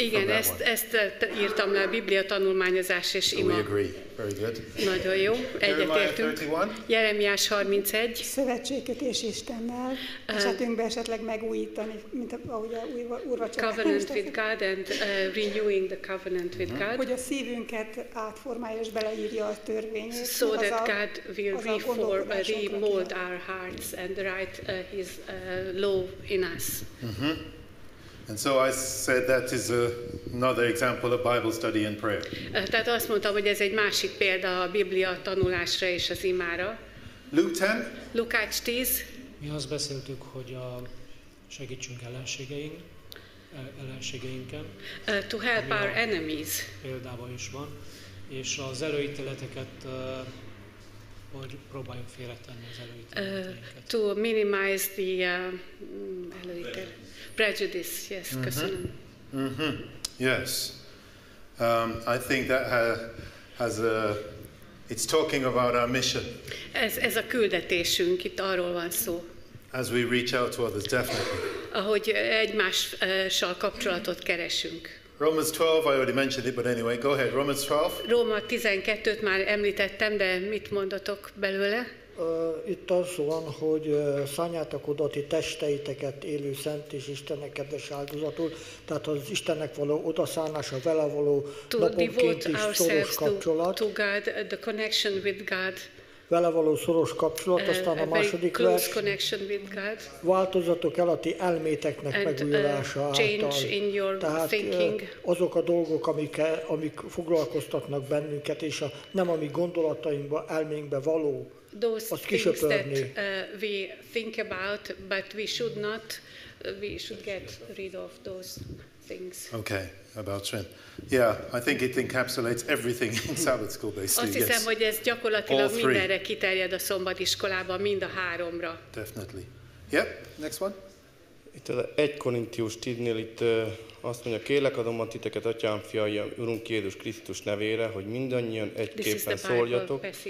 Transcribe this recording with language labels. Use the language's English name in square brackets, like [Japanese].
[Hungarian] Igen, ezt írtam le, Biblia tanulmányozás és ima. [English] So we agree. Very good. [Hungarian] Nagyon jó, egyetértünk. Jeremiás 31. Szövetségük és Istennel. Esetünkben esetleg megújítani, mint ahogy a úrvacsorában. [English] Covenant with God and renewing the covenant with God. [Hungarian] Hogy a szívünket átformálja és beleírja a törvényt. [English] So that God will remold our hearts and write his law in us. Mm-hmm. And so I said that is another example of Bible study and prayer. [Hungarian] Tehát azt mondtam, hogy ez egy másik példa a Biblia tanulásra és az imára. [English] Luke 10. [Hungarian] Lukács 10. Mi azt beszéltük, hogy a segítsünk ellenségeinken. [English] To help our enemies. [Hungarian] Példában is van. És az előítéleteket hogy próbáljuk félretenni az előítéleteinket. [English] To minimize the [Hungarian] előítéleteket. [English] Prejudice, yes, mm-hmm. Mm-hmm. Yes. I think that has a. It's talking about our mission. [Hungarian] Ez a küldetésünk, itt arról van szó. [English] As we reach out to others, definitely. [Hungarian] Ahogy egymással kapcsolatot keresünk. [English] Romans 12, I already mentioned it, but anyway, go ahead, Romans 12. [Hungarian] Róma 12-t már említettem, de mit mondatok belőle? Itt az van, hogy szánjátok oda ti testeiteket élő szent és Istennek kedves áldozatul, tehát az Istennek való odaszánása, vele való naponként is szoros kapcsolat. [English] To God, the connection with God. [Hungarian] Vele való szoros kapcsolat, aztán a második vers. Változzatok el a ti elméteknek megújulása által. Tehát azok a dolgok, amik foglalkoztatnak bennünket, és nem a mi gondolatainkba, elménkbe való, [English] those things that we think about, but we should get rid of those things. Okay, about strength. Yeah, I think it encapsulates everything in Sabbath school, basically. [Hungarian] Azt hiszem, hogy ez gyakorlatilag mindenre kiterjed a szombatiskolában, mind a háromra. [English] Definitely. Yep, next one. [Hungarian] Itt az 1 Korintius 10-nél itt azt mondja, kérlek adom a titeket, atyám, fiam, Urunk Jézus Krisztus nevére, hogy mindannyian egyképpen szóljatok.